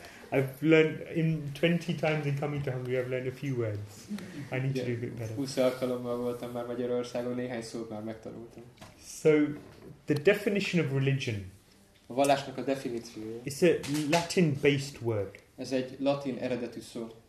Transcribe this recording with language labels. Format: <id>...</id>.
<en>I've learned in 20 times in coming to Hungary, I've learned a few words. I need to do a bit better.</en> <hu>20 alkalommal voltam már Magyarországon, néhány szót már megtanultam.</hu> <en>So, the definition of religion.</en> <hu>A vallásnak a definíciója.</hu> <en>It's a Latin-based word.</en> <hu>Ez egy latin eredetű szó.</hu>